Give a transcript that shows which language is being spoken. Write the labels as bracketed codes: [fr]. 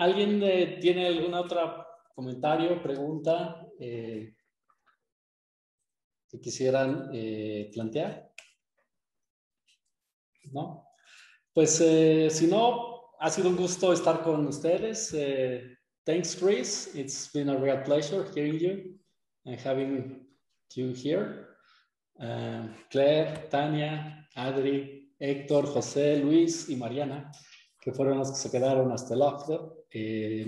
[es] ¿Alguien tiene algún otro comentario, pregunta que quisieran plantear? ¿No? Pues si no, ha sido un gusto estar con ustedes. [en] Thanks, Chris. It's been a real pleasure hearing you and having you here. [es] Claire, Tania, Adri, Héctor, José, Luis y Mariana, que fueron los que se quedaron hasta el after.